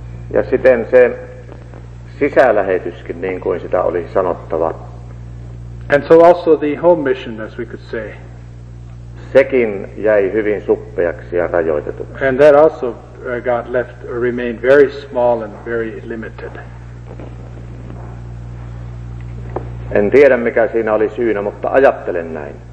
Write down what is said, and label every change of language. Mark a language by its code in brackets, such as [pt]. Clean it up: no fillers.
[fi] Ja siten se sisälähetyskin, niin kuin sitä oli sanottava. [en] And so also the home mission, as we could say. [fi] Sekin jäi hyvin suppeaksi ja rajoitetuksi. [en] And that also got left or remained very small and very limited. [fi] En tiedä, mikä siinä oli syynä, mutta ajattelen näin.